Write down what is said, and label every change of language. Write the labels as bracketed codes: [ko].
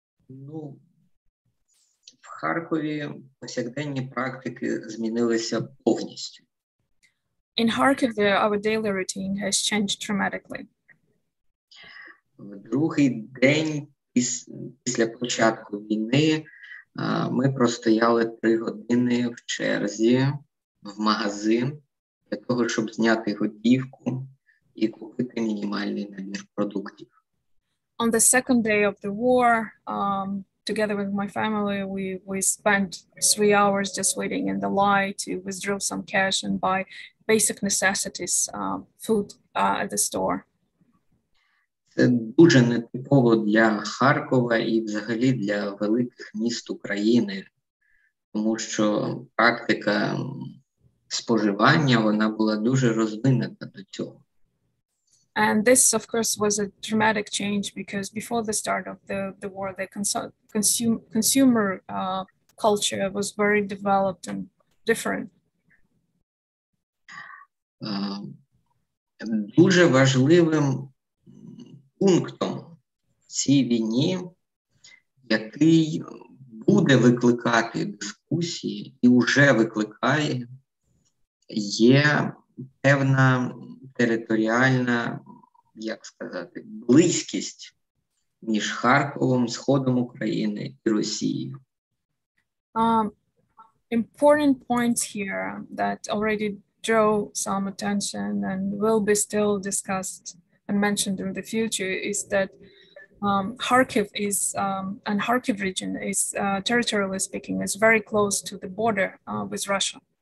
[uk] Ну, в Харкові повсякденні практики змінилися повністю. [en] In Kharkiv, our daily routine has changed dramatically. [uk] В другий день після початку війни ми простояли 3 години в черзі в магазин для того, щоб зняти готівку і купити мінімальний набір продуктів. [en] On the second day of the war, together with my family, we spent 3 hours just waiting in the line to withdraw some cash and buy basic necessities, food at the store. [uk] Це дуже нетипово для Харкова і взагалі для великих міст України, тому що практика споживання, вона була дуже розвинена до цього. [en] And this, of course, was a dramatic change because before the start of the war, the consumer culture was very developed and different. [uk] Дуже важливим пунктом в цій війні, який буде викликати дискусії і вже викликає, є певна територіальна, як сказати, близькість між Харковом, Сходом України і Росією. [en] Important points here that already drew some attention and will be still discussed and mentioned in the future is that Kharkiv is, and Kharkiv region is, territorially speaking, is very close to the border with Russia.